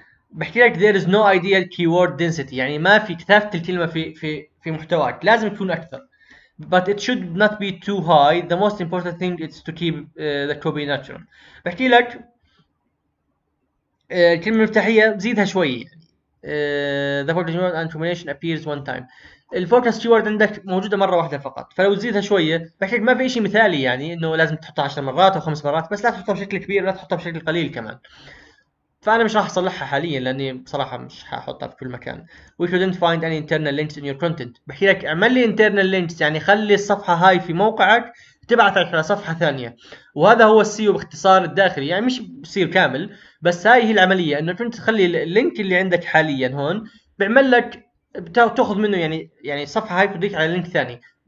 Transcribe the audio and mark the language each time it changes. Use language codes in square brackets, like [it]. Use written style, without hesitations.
[ar] بحكي لك [en] there is no ideal keyword density، [ar] يعني ما في كثافة الكلمة في محتواك، لازم تكون أكثر. [en] But it should not be too high. The most important thing is to keep the copy natural. [ar] بحكي لك الكلمة المفتاحية زيدها شوي. [en] The focus keyword and combination appears one time. [ar] الفوكس كيورد عندك موجودة مرة واحدة فقط، فلو تزيدها شوية بحكي لك ما في شيء مثالي، يعني انه لازم تحطها 10 مرات او 5 مرات، بس لا تحطها بشكل كبير ولا تحطها بشكل قليل كمان. فأنا مش راح أصلحها حاليا لأني بصراحة مش هحطها في كل مكان. [en] We couldn't find any internal links in your content. [ar] بحكي لك اعمل لي internal links، يعني خلي الصفحة هاي في موقعك تبعثك على صفحة ثانية. وهذا هو السيو باختصار الداخلي، يعني مش سيو كامل، بس هاي هي العملية، انه كنت تخلي اللينك اللي عندك حاليا هون بيعمل لك بتاخذ منه، يعني صفحة هاي بتضيك على لينك ثاني.